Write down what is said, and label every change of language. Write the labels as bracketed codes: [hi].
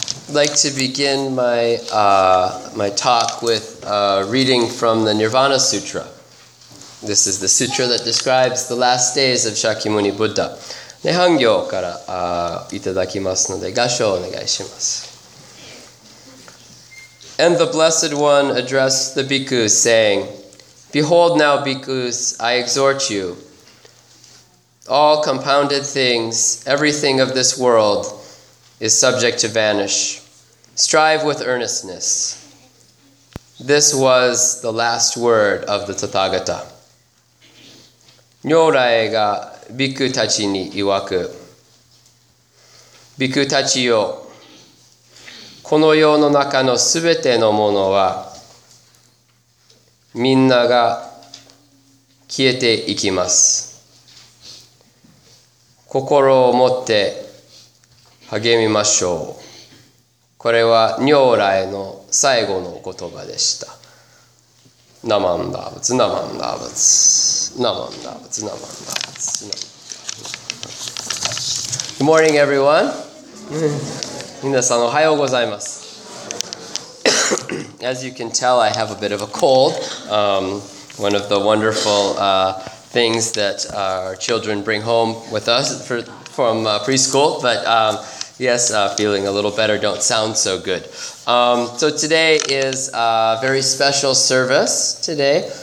[en] I'd like to begin my, my talk with a reading from the Nirvana Sutra. This is the sutra that describes the last days of Shakyamuni Buddha. [ko] 네, 한 교 [ja] から いただきますので、合唱をお願いします。 [en] And the Blessed One addressed the bhikkhus, saying, Behold now, bhikkhus, I exhort you. All compounded things, everything of this world, is subject to vanish. Strive with earnestness. This was the last word of the Tathagata. [ja] 如来がビクたちに曰く。ビクたちよ。この世の中のすべてのものは、みんなが消えていきます。心を持って励みましょう。これは如来の最後の言葉でした。ナマンダブツ、ナマンダブツ、ナマンダブツ、ナマンダブツ。 [en] Good morning, everyone. [ja] 皆さんおはようございます。 [en] As you can tell, I have a bit of a cold. One of the wonderful things that our children bring home with us from preschool, but Yes, feeling a little better, don't sound so good. So today is a very special service today.